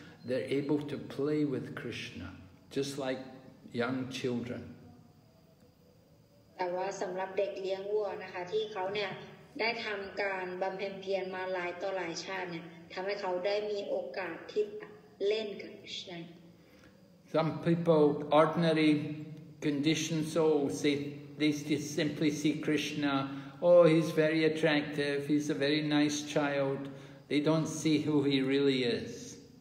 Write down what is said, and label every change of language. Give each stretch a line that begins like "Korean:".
English: They're able to play with Krishna, just like young children.
Thai: แต่ว่าสำหรับเด็กเลี้ยงวัวนะคะที่เขาเนี่ยได้ทำการบำเพ็ญเพียรมาหลายต่อหลายชาติเนี่ยทำให้เขาได้มีโอกาสที่
English: lend Krishna. Some people, ordinary conditioned souls, they just simply see Krishna. Oh, he's very attractive, he's a very nice child. They don't see who he really is.